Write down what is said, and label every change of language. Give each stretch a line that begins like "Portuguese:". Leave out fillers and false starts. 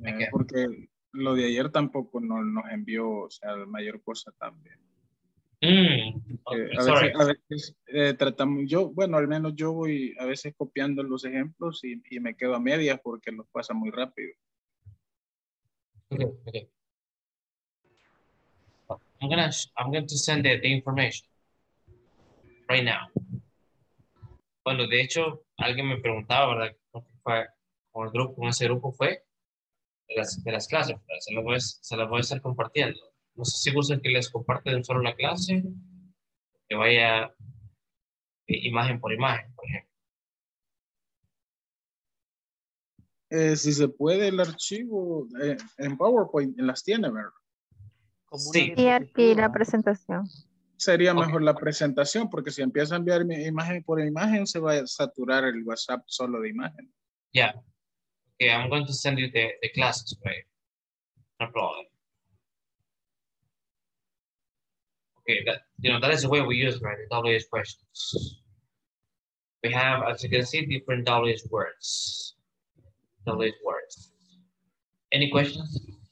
Spanish: Porque lo de ayer tampoco nos envió, o sea, la mayor cosa también. Yo voy a veces copiando los ejemplos y me quedo a medias porque nos pasa muy rápido.
English: Okay. I'm going to send the information right now.
Spanish: Bueno, de hecho, alguien me preguntaba, ¿verdad? ¿Con ese grupo fue de las clases? Se lo voy a estar compartiendo. No sé si gustan que les comparten solo la clase, que vaya imagen por imagen, por ejemplo. Si se puede, el archivo en PowerPoint las tiene, ¿verdad? Sí. Y aquí la presentación. Sería mejor la presentación, porque si empieza a enviar imagen por imagen, se va a saturar el WhatsApp solo de imagen.
English: Yeah. Okay, I'm going to send you the classes, right? No problem. Okay, that is the way we use, right? The WH questions. We have, as you can see, different WH words. WH words. Any questions?